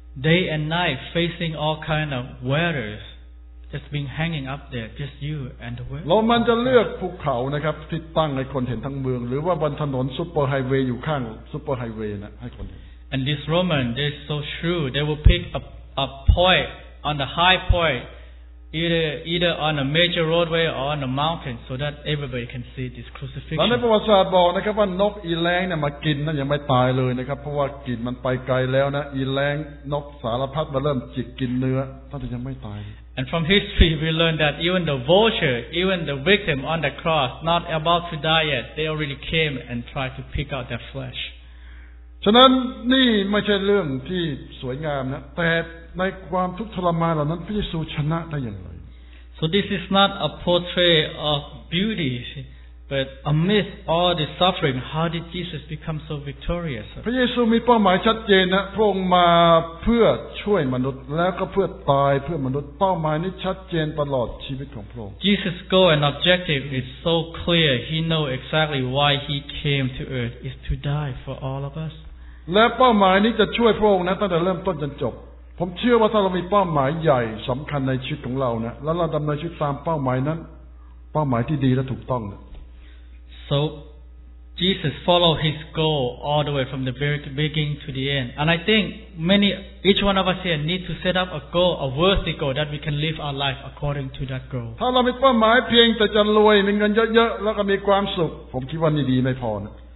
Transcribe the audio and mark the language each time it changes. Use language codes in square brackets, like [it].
[en] day and night facing all kind of weather just being hanging up there just you and the weather [th] เรามันจะเลือกภูเขานะครับที่ตั้งให้คนเห็นทั้งเมืองหรือว่าบนถนนซุปเปอร์ไฮเวย์อยู่ข้างซุปเปอร์ไฮเวย์นะให้คนเห็น [en] and this roman they so true they will pick a pointon the high point either on a major roadway or on a mountain so that everybody can see this crucifixion [th] แล้วในประวัติศาสตร์บอกนะครับว่านกอีแรงเนี่ยมากินนะยังไม่ตายเลยนะครับเพราะว่ากลิ่นมันไปไกลแล้วนะอีแรงนกสารพัดมาเริ่มจิกกินเนื้อท่านยังไม่ตาย [en] And from history we learn that even the vulture even the victim on the cross not about to die yet they already came and tried to pick out their flesh [th] ฉะนั้นนี่ไม่ใช่เรื่องที่สวยงามนะแต่ในความทุกข์ทรมานเหล่านั้นพระเยซูชนะได้อย่างไร [en] So this is not a portrait of beauty but amidst all the suffering how did Jesus become so victorious [th] พระเยซูมีเป้าหมายชัดเจนนะพระองค์มาเพื่อช่วยมนุษย์แล้วก็เพื่อตายเพื่อมนุษย์เป้าหมายนี้ชัดเจนตลอดชีวิตของพระองค์ [en] Jesus' goal and objective is so clear he know exactly why he came to earth is to die for all of us [th] และเป้าหมายนี้จะช่วยพระองค์นะตั้งแต่เริ่มต้นจนจบผมเชื่อว่าถ้าเรามีเป้าหมายใหญ่สำคัญในชีวิตของเรานะแล้วเราดำเนินชีวิตตามเป้าหมายนั้นเป้าหมายที่ดีและถูกต้อง [en] So Jesus followed his goal all the way from the very beginning to the end. And I think many, each one of us here need to set up a goal, a worthy goal, that we can live our life according to that goal. If we have a goal